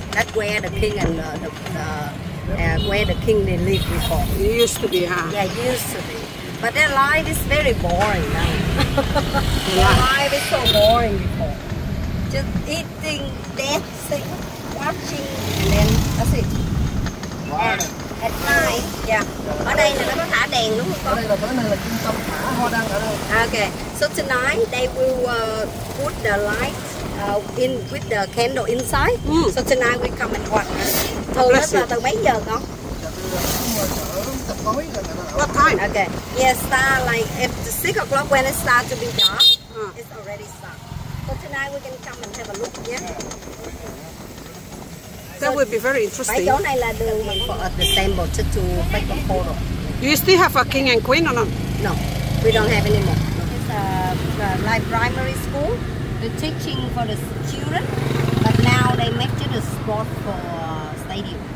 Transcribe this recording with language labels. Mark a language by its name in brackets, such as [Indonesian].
[English] That's where the king and where the king they lived before. It used to be, huh? Yeah, it used to be. But their life is very boring now. Their life is so boring before. Just eating, dancing, watching, and then that's it. At night, yeah. [Vietnamese] Ở đây là nó có thả đèn đúng không con? Ở đây là trung tâm thả hoa đăng ở đây. [English] Okay, so tonight they will put the light in with the candle inside. So tonight we come and watch. [Vietnamese] Thường là từ mấy giờ con? [English] What time? Okay. Yes, start like at 6 o'clock when it starts to be dark. It's already start. So tonight we can come and have a look. Yeah. That would be very interesting. [Vietnamese] Chỗ này là đường mình [English] for the temple to take a photo. You still have a king and queen or not? No, we don't have any more. It's a like primary school. They're teaching for the children, but now they make it a spot for stadium.